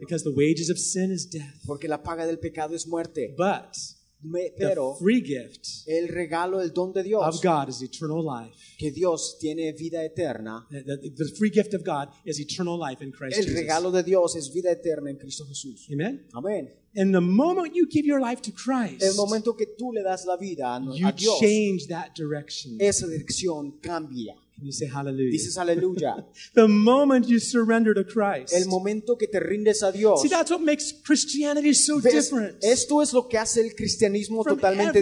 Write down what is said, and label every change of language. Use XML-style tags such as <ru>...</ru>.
<en>Because the wages of sin is death.</en> <es>Porque la paga del pecado es muerte.</es> <en>But</en> <es>pero,</es> <en>the free gift,</en> <es>el regalo, el don de Dios,</es> <en>of God is eternal life.</en> <es>Que Dios tiene vida eterna.</es> <en>The free gift of God is eternal life in Christ Jesus.</en> <es>El regalo de Dios es vida eterna en Cristo Jesús.</es> <en>Amen.</en> <es>Amen.</es> <en>And the moment you give your life to Christ,</en> <es>el momento que tú le das la vida a Dios,</es> <en>you change that direction.</en> <es>Esa dirección cambia.</es> <en>You say hallelujah.</en> <es>Dices hallelujah.</es> <en>The moment you surrender to Christ.</en> <es>El momento que te rindes a Dios.</es> <en>See, that's what makes Christianity so different.</en> <es>Esto es lo que hace el cristianismo totalmente</es>